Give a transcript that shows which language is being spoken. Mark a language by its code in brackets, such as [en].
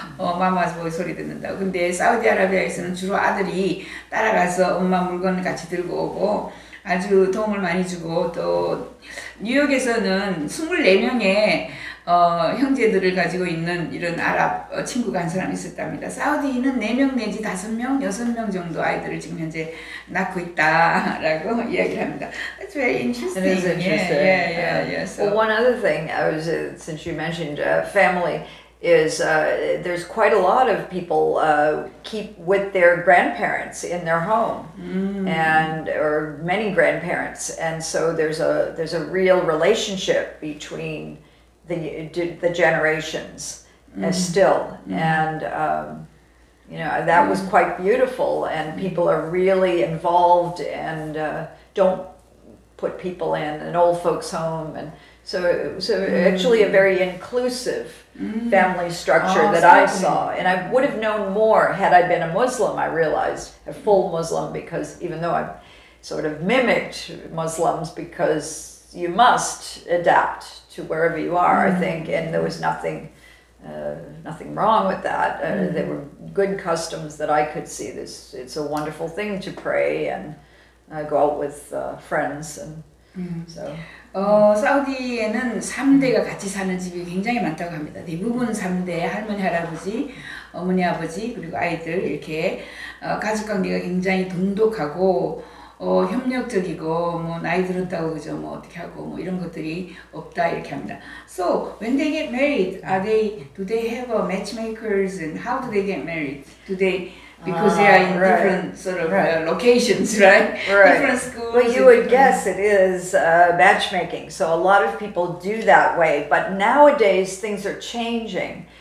[ko] 마마's boy 소리 듣는다고. 근데 사우디아라비아에서는 주로 아들이 따라가서 엄마 물건을 같이 들고 오고 아주 도움을 많이 주고 또 뉴욕에서는 24명의 형제들을 가지고 있는 이런 아랍 친구가 한 사람이 있었답니다. 사우디는 4명 내지 5명, 6명 정도 아이들을 지금 현재 낳고 있다라고 이야기를 합니다. [en] That's very interesting. It is interesting. Yeah. Well, one other thing, since you mentioned family, is there's quite a lot of people keep with their grandparents in their home, and or many grandparents, and so there's a real relationship between the generations, still. And, you know, that was quite beautiful. And people are really involved and don't put people in an old folks home. And so, actually a very inclusive family structure that I saw. And I would have known more had I been a Muslim, I realized, a full Muslim, because even though I sort of mimicked Muslims, because you must adapt to wherever you are, I think, and there was nothing nothing wrong with that. There were good customs that I could see. This, it's a wonderful thing to pray and go out with friends. And so [ko] 사우디에는 3대가 같이 사는 집이 굉장히 많다고 합니다. 대부분 3대 할머니 할아버지 어머니 아버지 그리고 아이들 이렇게 가족 관계가 굉장히 돈독하고 협력적이고 뭐 나이 들었다고 그죠 뭐 어떻게 하고 뭐 이런 것들이 없다 이렇게 합니다. [en] So when they get married, are they do they have a matchmakers and how do they get married? Do they because they are in right. different sort of right. Locations, right? Right. Different schools. Well, you would guess it is matchmaking. So a lot of people do that way, but nowadays things are changing.